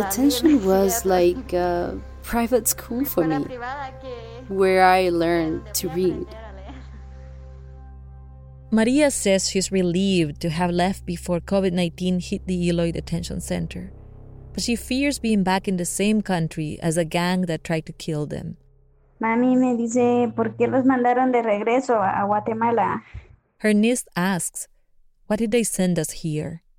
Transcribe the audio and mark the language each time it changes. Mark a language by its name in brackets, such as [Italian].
[English] mí. Detention was like a private school for me, where I learned to read. Maria says she's relieved to have left before COVID-19 hit the Eloy Detention Center. But she fears being back in the same country as a gang that tried to kill them. [Spanish] Mami me dice, ¿por qué los mandaron de regreso a Guatemala? [English] Her niece asks, what did they send us here?